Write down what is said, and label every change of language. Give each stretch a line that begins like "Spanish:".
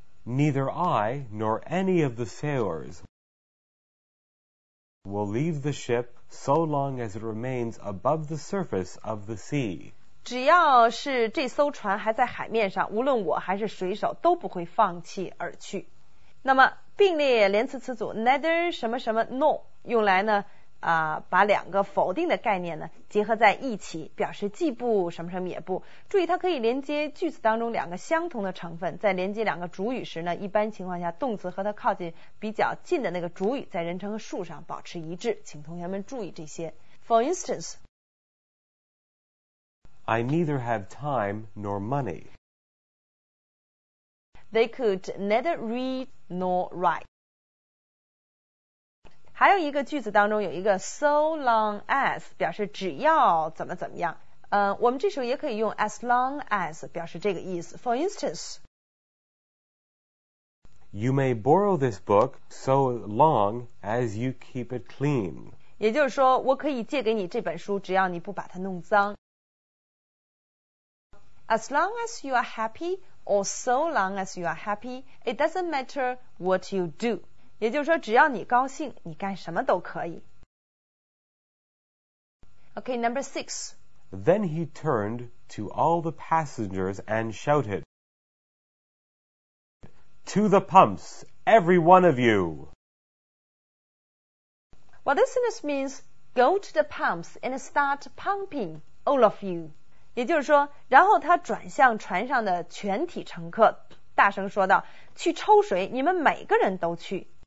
English: Neither I nor any of the sailors will leave the ship so long as it remains above the surface of the sea.
Chinese: 只要是这艘船还在海面上，无论我还是水手都不会放弃而去。那么并列连词词组 neither 什么什么 no。用来呢啊、把两个否定的概念呢结合在一起，表示既不什么什么也不。注意它可以连接句子当中两个相同的成分，在连接两个主语时呢，一般情况下动词和它靠近比较近的那个主语在人称和数上保持一致，请同学们注意这些。
English: For instance, I neither have time nor money. They could neither read nor write.
Chinese: 还有一个句子当中有一个
English: so long as
Chinese: 表示只要怎么怎么样，我们这时候也可以用
English: as long as
Chinese: 表示这个意思。
English: For instance, You may borrow this book so long as you keep it clean.
Chinese: 也就是说我可以借给你这本书，只要你不把它弄脏。
English: As long as you are happy or so long as you are happy, it doesn't matter what you do.
Chinese: 也就是说只要你高兴你干什么都可以。
English: OK, number six. Then he turned to all the passengers and shouted, To the pumps, every one of you! Well, this sentence means, Go to the pumps and start pumping, all of you.
Chinese: 也就是说然后他转向船上的全体乘客，大声说道，去抽水，你们每个人都去。